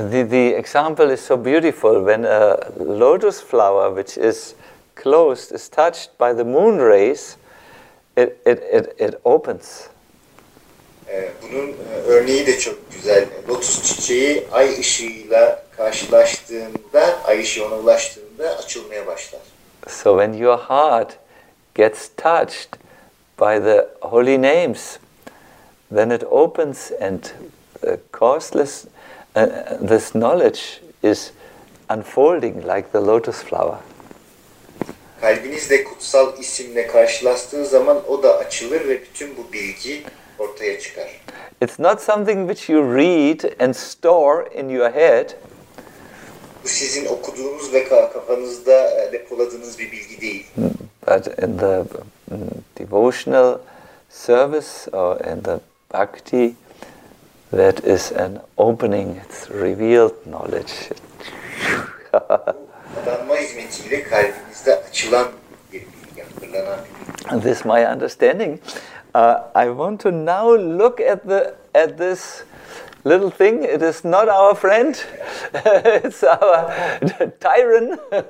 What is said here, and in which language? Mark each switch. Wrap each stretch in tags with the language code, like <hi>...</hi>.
<en>The example is so beautiful when a lotus flower which is closed is touched by the moon rays. It opens.</en> <tr>Bunun örneği de çok güzel. Lotus çiçeği ay ışığıyla karşılaştığında, ay ışığı ona ulaştığında açılmaya başlar.</tr> <en>So when your heart gets touched by the holy names, then it opens and the causeless this knowledge is unfolding like the lotus flower.</en> <tr>Kalbinizle kutsal isimle karşılaştığınız zaman o da açılır ve bütün bu bilgi ortaya çıkar.</tr> <en>It's not something which you read and store in your head.</en> <tr>Bu sizin okuduğunuz ve kafanızda depoladığınız bir bilgi değil.</tr> <en>But in the devotional service or in the bhakti, that is an opening, it's revealed knowledge.</en> <tr>Adanma hizmetiyle kalbinizde açılan bir bilgi, hatırlanan bir bilgi.</tr> <en>This is my understanding. I want to now look at this little thing. It is not our friend. It's our tyrant.</en>